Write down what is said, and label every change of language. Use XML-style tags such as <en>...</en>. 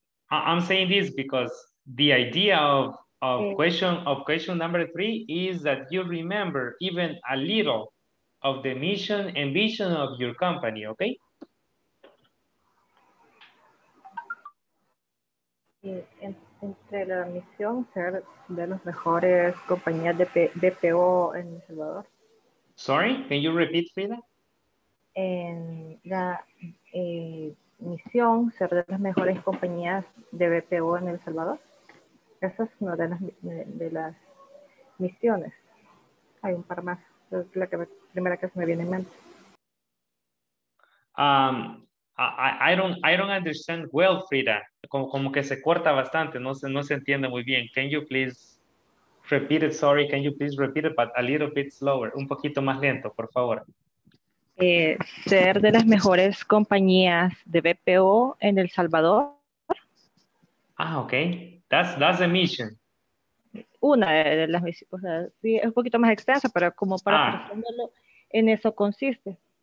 <en>I'm saying this because the idea of question number three is that you remember even a little of the mission and vision of your company, okay?</en> <es>Entre la misión, ser de las mejores compañías de BPO en El Salvador.</es> <en>Sorry, can you repeat, Frida?</en> <es>En la misión, ser de las mejores compañías de BPO en El Salvador. Esa es una de las misiones. Hay un par más. Es la que primera que se me viene en mente.</es> <en>I don't understand well, Frida.</en> <es>Como que se corta bastante. No se entiende muy bien.</es> <en>Can you please repeat it? Sorry, can you please repeat it, but a little bit slower.</en> <es>Un poquito más lento, por favor. Ser de las mejores compañías de BPO en El Salvador.</es> <en>Ah, okay. That's a mission.</en> <es>Una de las misiones, o sea, es un poquito más extensa, pero como para pensándolo, en eso consiste.</es>